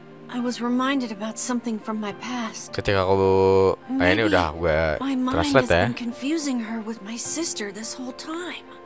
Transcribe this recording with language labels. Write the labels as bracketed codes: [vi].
[en] I was reminded about something from my past. [id] Ketika aku, ini udah gue translate ya. [en] Confusing her with my sister this whole time.